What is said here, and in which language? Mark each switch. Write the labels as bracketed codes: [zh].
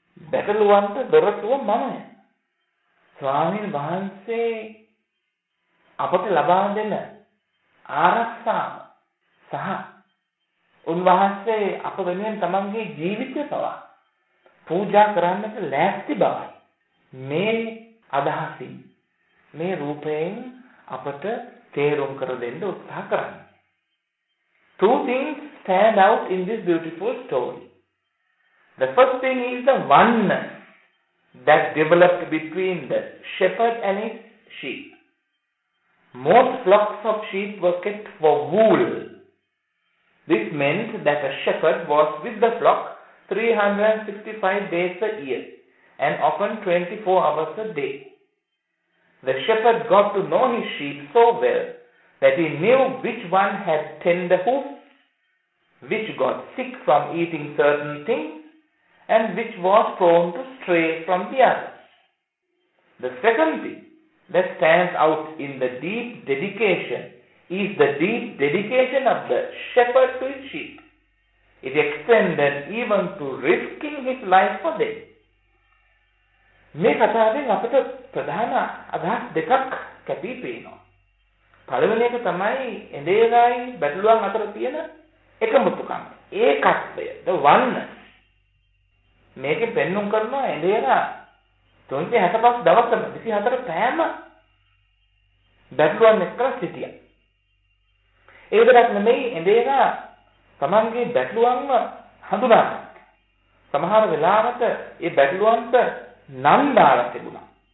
[si] බැටළුවන්ට දොරටුව මමයි. ස්වාමීන් වහන්සේ අපට ලබා දෙන ආරක්ෂාව සහ උන්වහන්සේ අප වෙනුවෙන් තමන්ගේ ජීවිතය පවා පූජා කරන්නට ලෑස්ති බවයි මේ අදහසින් මේ රූපයෙන් අපට තේරුම් කර දෙන්න උත්සාහ කරන්නේ. [en] Two things stand out in this beautiful story. The first thing is the oneness that developed between the shepherd and his sheep. Most flocks of sheep were kept for wool. This meant that a shepherd was with the flock 365 days a year and often 24 hours a day. The shepherd got to know his sheep so well that he knew which one had tender hoofs, which got sick from eating certain things, and which was prone to stray from the others. The second thing that stands out in the deep dedication is the deep dedication of the shepherd to his sheep. It extended even to risking his life for them. [si] මේ කතාවෙන් අපට ප්‍රධාන අදහස් දෙකක් කැපී පේනවා. පළවෙනි එක තමයි එඳේලායි බැටළුවන් අතර තියෙන එකමුතුකම. ඒකත්වය, [en] the oneness. [si] මේකෙ පෙන්නුම් කරනවා එඳේලා 365 දවසම 24 පෑම බැටළුවන් එක්ක සිටියා. ඒ විතරක් නෙමෙයි, එඳේලා තමන්ගේ බැටළුවන්ව හඳුනා සමහර වෙලාවට ඒ බැටළුවන්ට නම් දාලා තිබුණා.